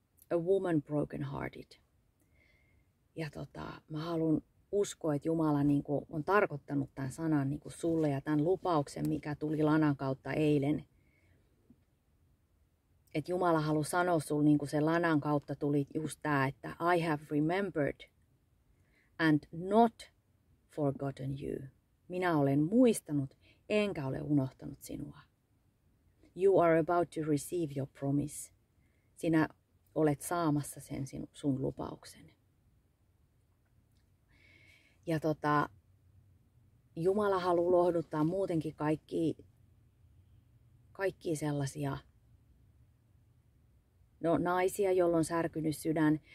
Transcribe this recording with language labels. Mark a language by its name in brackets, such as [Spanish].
[English] A woman broken hearted. [Finnish] Ja mä haluan uskoa, että Jumala niin kuin on tarkoittanut tämän sanan niin kuin sulle ja tämän lupauksen, mikä tuli Lanan kautta eilen. Että Jumala halusi sanoa sulle, niin kuin sen Lanan kautta tuli just tämä, että [English] I have remembered and not forgotten you. [Finnish] Minä olen muistanut, enkä ole unohtanut sinua. [English] You are about to receive your promise. [Finnish] Sinä olet saamassa sen sun lupauksen. Ja Jumala haluaa lohduttaa muutenkin kaikki sellaisia naisia, joilla on särkynyt sydän.